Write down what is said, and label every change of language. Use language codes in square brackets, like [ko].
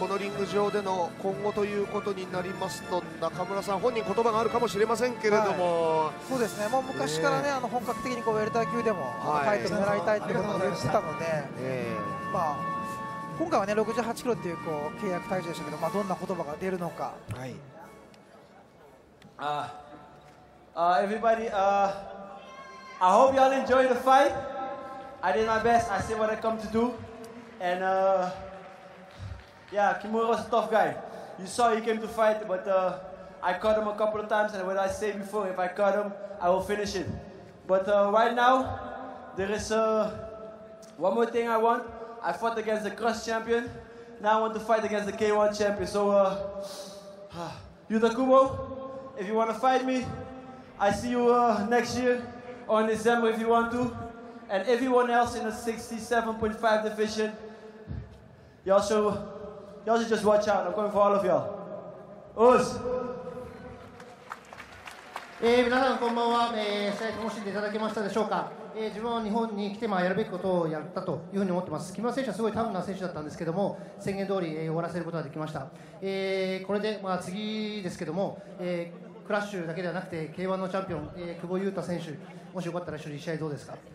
[ja] このリング上での今後ということになりますと、中村さん本人言葉があるかもしれませんけれども、はい、そうですね、もう昔から ね、本格的にこうウェルター級でもタイトル狙いたいということを言ってたので、まあ、今回は、ね、68キロという、 こう契約体重でしたけど、まあ、どんな言葉が出るのか、はい、 [en] Everybody, I hope you all enjoy the fight. I did my best. I see what I come to do. And yeah, Kimura was a tough guy. You saw he came to fight, but I caught him a couple of times. And what I said before, if I caught him, I will finish it. But right now, there is one more thing I want. I fought against the cross champion. Now I want to fight against the K1 champion. So Yuta Kubo, if you want to fight me, I see you next year or in December if you want to. And everyone else in the 67.5 division, y'all should just watch out. I'm coming for all of y'all. Us! [ja] 皆さんこんばんは。試合楽しんでいただけましたでしょうか。自分は日本に来て、まあ、やるべきことをやったというふうに思ってます。木村選手はすごいタフな選手だったんですけども、宣言通り、終わらせることができました。これで、まあ、次ですけども、クラッシュだけではなくて K1 のチャンピオン、久保優太選手、もしよかったら一緒に試合どうですか。